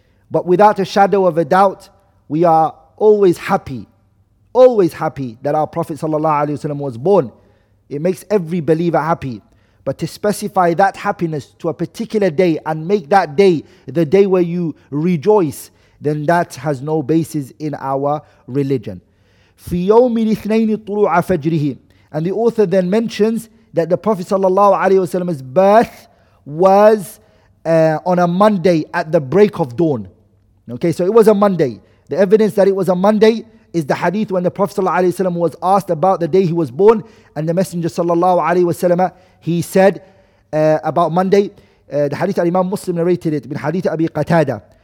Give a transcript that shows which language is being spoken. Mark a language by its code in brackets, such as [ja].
[en] But without a shadow of a doubt, we are always happy that our Prophet sallallahu alayhi wa sallam was born. It makes every believer happy. But to specify that happiness to a particular day and make that day the day where you rejoice, then that has no basis in our religion. [ar] في يوم الاثنين طلوع فجره. [en] And the author then mentions that the Prophet sallallahu alaihi wasallam's birth was on a Monday at the break of dawn. Okay, so it was a Monday. The evidence that it was a Monday is the hadith when the Prophet sallallahu alaihi wasallam was asked about the day he was born, and the Messenger sallallahu alaihi wasallam, he said about Monday, the hadith Imam Muslim narrated it, bin hadith Abi Qatada.